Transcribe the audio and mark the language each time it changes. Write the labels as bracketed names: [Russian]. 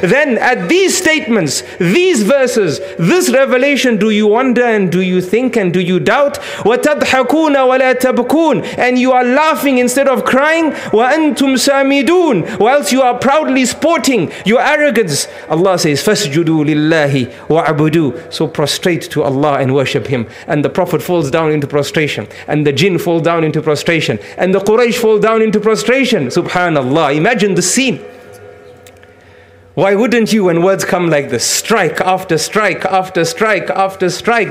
[English] Then at these statements, these verses, this revelation, do you wonder and do you think and do you doubt? [Arabic] وَتَضْحَكُونَ وَلَا تَبْكُونَ. [English] And you are laughing instead of crying. [Arabic] وَأَنْتُمْ سَامِدُونَ. [English] Whilst you are proudly sporting your arrogance. Allah says, [Arabic] فَسْجُدُوا لِلَّهِ وَعَبُدُوا. [English] So prostrate to Allah and worship Him. And the Prophet falls down into prostration. And the jinn fall down into prostration. And the Quraysh fall down into prostration. Subhanallah. Imagine the scene. Why wouldn't you when words come like this? Strike after strike after strike after strike.